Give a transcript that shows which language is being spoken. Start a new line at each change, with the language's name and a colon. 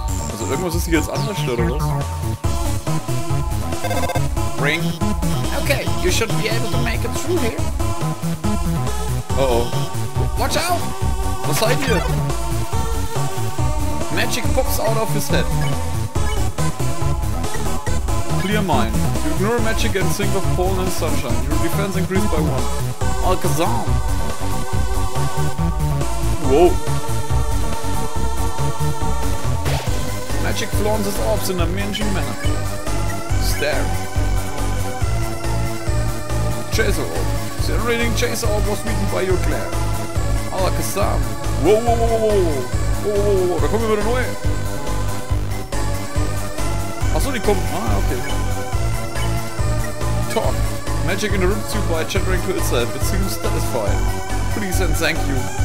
German: Also irgendwas ist hier jetzt anders, oder was? Ring.
English: Okay, you should be able to make it through here. Uh-oh. Watch out!
German: Was seid ihr?
English: Magic pops out of his head. Clear mind. You ignore magic and think of pollen and sunshine. Your defense increased by one. Alcazam! Whoa! Magic flaunts his orbs in a mangy manner. Stare. Chaser orb. Generating chaser orb was beaten by your glare. Alakazam! Whoa, whoa, whoa, whoa, whoa!
German: Oh, oh, oh, da kommen wir wieder neue. Achso, die kommen. Ah, okay.
English: Talk. Magic interrupts you by chattering to itself. It seems satisfied. Please and thank you.